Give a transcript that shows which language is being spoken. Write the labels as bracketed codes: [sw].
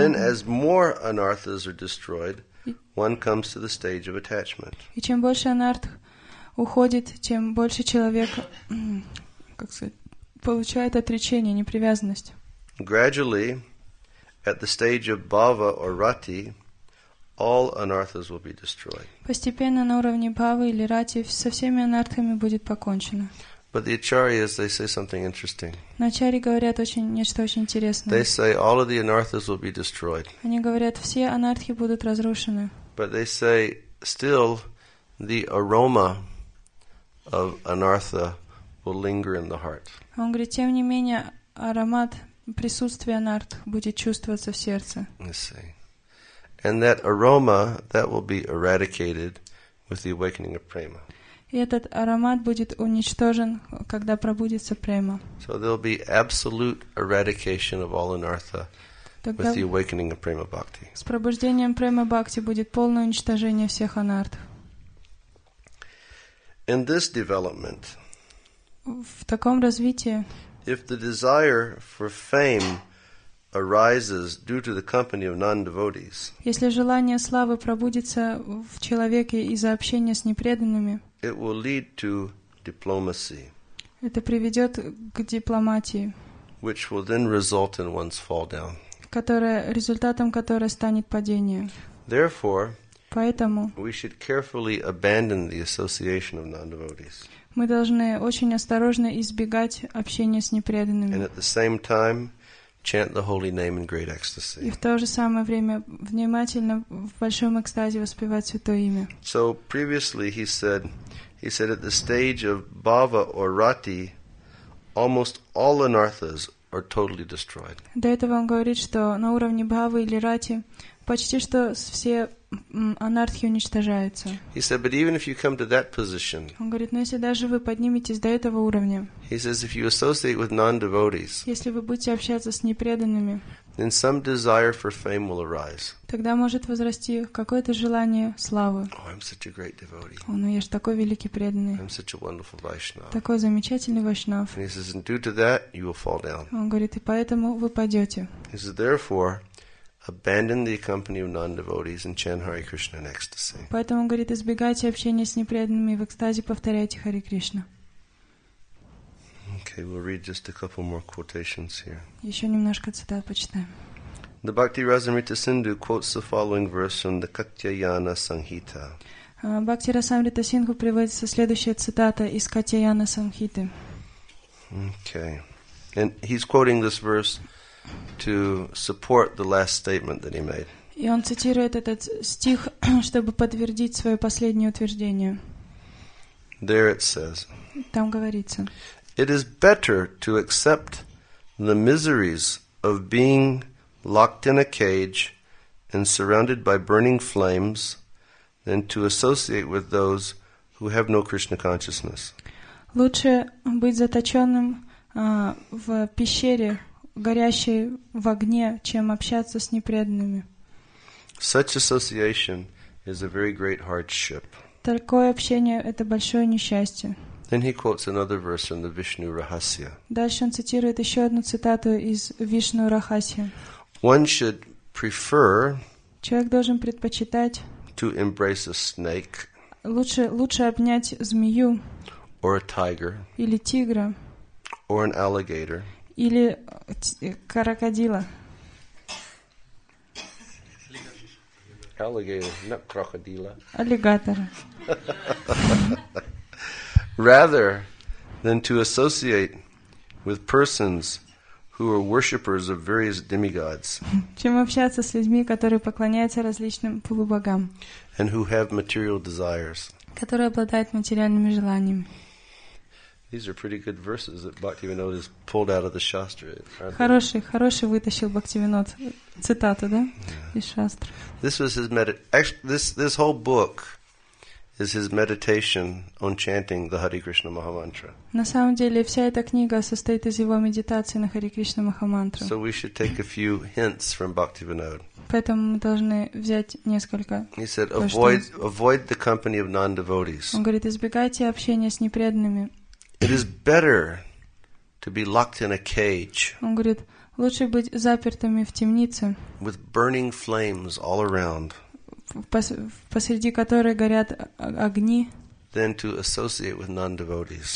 [en] Then as more anarthas are destroyed, one comes to the stage of attachment. [ru] И чем больше анартх уходит, тем больше человек, как сказать, получает отречение, непривязанность. [en] Gradually, at the stage of bhava or rati, all anarthas will be destroyed. [ru] Постепенно на уровне бхавы или рати со всеми анартхами будет покончено. [en] But the acharyas, they say something interesting. [ru] Но ачарьи говорят очень, нечто очень интересное. [en] They say all of the anarthas will be destroyed. [ru] Они говорят, все анартхи будут разрушены. [en] But they say still the aroma of anartha will linger in the heart. [ru] Он говорит, тем не менее, аромат присутствия анартх будет чувствоваться в сердце. [en] I see. And that aroma, that will be eradicated with the awakening of prema. [ru] И этот аромат будет уничтожен, когда пробудится према. [en] So there'll be absolute eradication of all anartha with the awakening of prema bhakti. [ru] С пробуждением према бхакти будет полное уничтожение всех анарт. [en] In this development, [ru] в таком развитии, [en] if the desire for fame arises due to the company of non-devotees, [ru] если желание славы пробудится в человеке из-за общения с непреданными, [en] it will lead to diplomacy. [ru] Это приведет к дипломатии. [en] Which will then result in one's fall down. [ru] Которая, результатом которой станет падение. [en] Therefore, [ru] поэтому [en] we should carefully abandon the association of non-devotees. [ru] Мы должны очень осторожно избегать общения с непреданными. [en] And at the same time, chant the holy name in great ecstasy. [ru] И в то же самое время внимательно в большом экстазе воспевать святое имя. [en] So previously he said at the stage of bhava or rati, almost all anarthas are totally destroyed. [ru] До этого он говорит, что на уровне бхавы или рати почти что все анартхи уничтожаются. [en] He said, but even if you come to that position, [ru] он говорит, но если даже вы подниметесь до этого уровня, [en] he says, if you associate with non-devotees, [ru] если вы будете общаться с непреданными, [en] then some desire for fame will arise. [ru] Тогда может возрасти какое-то желание славы. [en] Oh, I'm such a great devotee. [ru] О, ну я же такой великий преданный. [en] I'm such a wonderful Vaishnav. [ru] Такой замечательный Вайшнав. [en] And he says, and due to that, you will fall down. [ru] Он говорит, и поэтому вы падете. [en] He says, therefore, abandon the company of non-devotees and chant Hare Krishna in ecstasy. [ru] Поэтому говорит, избегайте общения с непреданными в экстазе, повторяйте Хари Кришна. [en] Okay, we'll read just a couple more quotations here. [ru] Еще немножко цитат почитаем. [en] The Bhakti Rasamrita Sindhu quotes the following verse from the Katyayana Sanghita. [ru] Bhakti Rasamrita Sindhu приводится следующая цитата из Катьяяна Санхиты. [en] Okay, and he's quoting this verse to support the last statement that he made. [ru] И он цитирует этот стих, чтобы подтвердить свое последнее утверждение. [en] There it says. [ru] Там говорится. [en] It is better to accept the miseries of being locked in a cage and surrounded by burning flames than to associate with those who have no Krishna consciousness. [ru] Лучше быть заточенным в пещере, горящей в огне, чем общаться с непреданными. [en] Such association is a very great hardship. [ru] Такое общение – это большое несчастье. [en] Then he quotes another verse from the Vishnu Rahasya. [ru] Дальше он цитирует еще одну цитату из Вишну Рахасья. [en] One should prefer. [ru] Человек должен предпочитать. [en] To embrace a snake. [ru] Лучше обнять змею. [en] Or a tiger. [ru] Или тигра. [en] Or an alligator. [ru] Или крокодила. [en] Alligator, not [ru] крокодила. Аллигатор. [en] Rather than to associate with persons who are worshippers of various demigods. [ru] Чем общаться с людьми, которые поклоняются различным полубогам. [en] And who have material desires. [ru] Которые обладают материальными желаниями. [en] These are pretty good verses that Bhaktivinoda has pulled out of the Shastra. [ru] Хороший вытащил Бхактивинода цитату, да? Из Шастры. [en] This was his this whole book is his meditation on chanting the Hare Krishna Mahamantra. [ru] На самом деле, вся эта книга состоит из его медитации на Hare Krishna Mahamantra. [en] So we should take a few hints from Bhaktivinoda. [ru] Поэтому мы должны взять несколько. [en] He said, avoid the company of non-devotees. [ru] Он говорит, избегайте общения с непреданными. [en] It is better to be locked in a cage. [ru] Он говорит, лучше быть запертыми в темнице. [en] With burning flames all around. [ru] Посреди которой горят огни, [en] than to associate with non-devotees.